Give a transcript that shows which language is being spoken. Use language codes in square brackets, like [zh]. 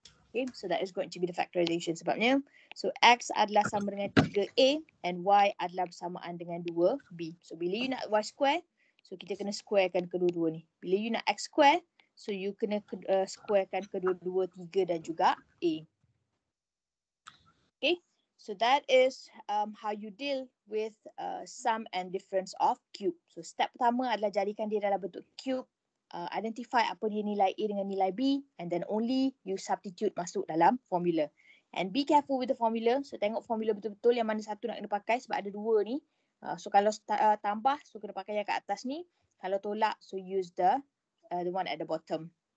[en] Okay, so that is going to be the factorization sebabnya. [ms] So X adalah sama dengan 3A and Y adalah bersamaan dengan 2B. So bila you nak Y square, so kita kena squarekan kedua-dua ni. Bila you nak X square, so you kena squarekan kedua-dua 3 dan juga A. [en] Okay, so that is how you deal with sum and difference of cube. [ms] So step pertama adalah jadikan dia dalam bentuk cube. Identify apa dia nilai A dengan nilai B [en] and then only you substitute [ms] masuk dalam formula. [en] And be careful with the formula. [ms] So tengok formula betul-betul yang mana satu nak kena pakai sebab ada dua ni. So kalau tambah, so kena pakai yang kat atas ni. Kalau tolak, [en] so use the one at the bottom.